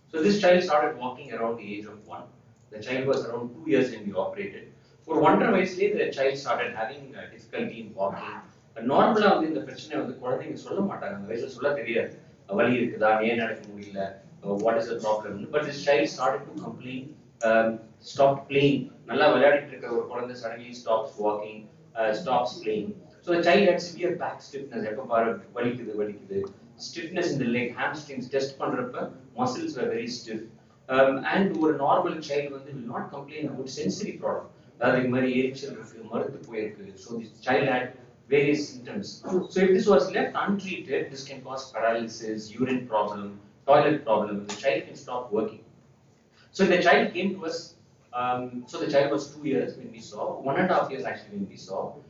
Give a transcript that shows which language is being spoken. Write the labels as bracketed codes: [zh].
[en] So, this child started walking around the age of 1. The child was around 2 years when we operated. For 1.5 years later, the child started having difficulty in walking. [ta] நார்மலா வந்து இந்த பிரச்சனை வந்து குழந்தைங்க சொல்ல மாட்டாங்க, அந்த வயசுல சொல்ல தெரியாது, வலி இருக்குதா, ஏன் நடக்க முடியல, [en] What is the problem. But this child started to complain stopped playing. [ta] Nalla velaadittirukka [en] or kulandha suddenly stops walking, stops playing. So the child had severe back stiffness. [ta] Epa paaru valikudhu valikudhu. [en] Stiffness in the leg, hamstrings, test [ta] pandrappa [en] muscles were very stiff. And ஒரு normal child வந்து will not complain about sensory problem. [ta] அதாவது இது மாதிரி எரிச்சல் இருக்கு, மருத்து போயிருக்கு. [en] So this child had various symptoms. So if this was left untreated, this can cause paralysis, urine problem, toilet problem, the child can stop working. So the child came to us, so the child was 2 years when we saw, 1.5 years actually when we saw.